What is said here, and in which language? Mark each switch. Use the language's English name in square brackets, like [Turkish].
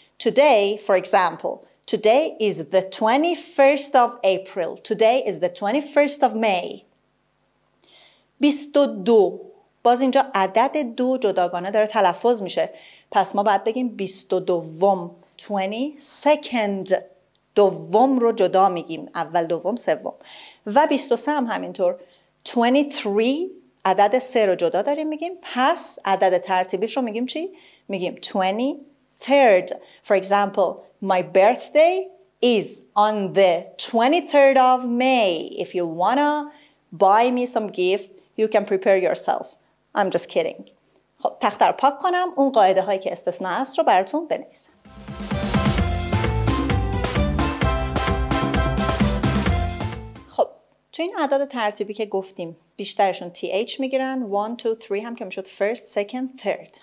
[English] Today, for example, today is the 21st of April. Today is the 21st of May. 22. [Persian] باز اینجا عدد 2 جداگانه داره تلفظ میشه. پس ما باید بگیم 22. 22nd. دوم رو جدا میگیم. اول، دوم، سوم. و 23 هم همینطور. 23. عدد 3 رو جدا داریم میگیم. پس عدد ترتیبیش رو میگیم چی؟ میگیم 23rd. [English] For example, my birthday is on the 23rd of May. If you wanna buy me some gift, you can prepare yourself. I'm just kidding. [Persian] خب تخته رو پاک کنم، اون قاعده هایی که استثناء است رو براتون بنویسم. خب تو این عدد ترتیبی که گفتیم بیشترشون th میگیرن، 1, 2, 3 هم که میشد [English] first, second, third.